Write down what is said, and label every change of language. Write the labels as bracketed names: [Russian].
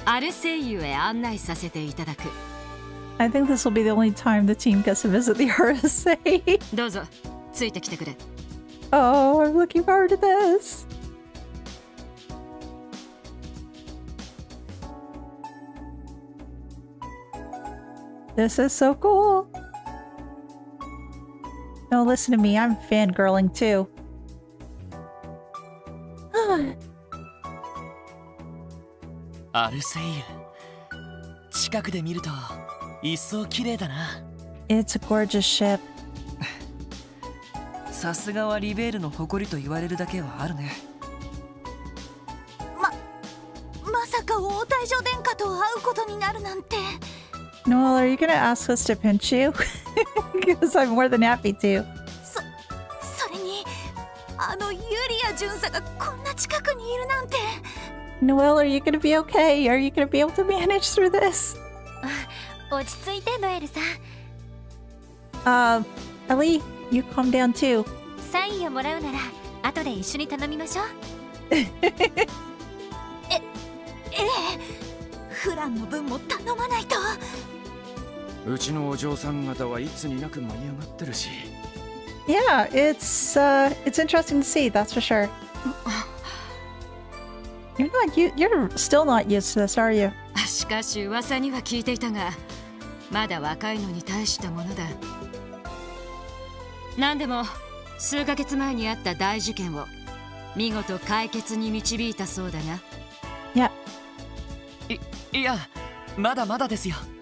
[Japanese] 除幕式でご一緒だったかな。申し遅れた。リベール王国軍王室親衛隊ユリア・シュバルツ巡査だ。クローディア殿下の命により、これより諸君をアルセイユへ案内させていただく。 [English] I think this will be the only time the team gets to visit the RSA. [Japanese] どうぞ、ついてきてくれ。 [English] Oh, I'm looking forward to this. This is so cool. No, listen to me. I'm fangirling too. [Japanese] アルセイユ。近くで見ると一層綺麗だな。 [English] It's a gorgeous ship. [Japanese] さすがはリベールの誇りと言われるだけはあるね。まさか王太女殿下と会うことになるなんて。 [English] Noel, are you gonna ask us to pinch you? Because I'm more than happy to. [Japanese] それに、あのユリア巡査がこんな近くにいるなんて。 [English] Noel, are you gonna be okay? Are you gonna be able to manage through this? [Japanese] 落ち着いて、ノエルさん。 [English] Ellie, you calm down too. [Japanese] サインをもらうなら、後で一緒に頼みましょう。ええ、フランの分も頼まないと。うちのお嬢さん方はいつになく舞い上がってるし。 [English] Yeah, it's interesting to see, that's for sure. You're still not used to this, are you? [Japanese] しかし噂には聞いていたが、まだ若いのに大したものだ。何でも数ヶ月前にあった大事件を見事解決に導いたそうだが。 [English] Yeah. [Japanese] いや、まだまだですよ。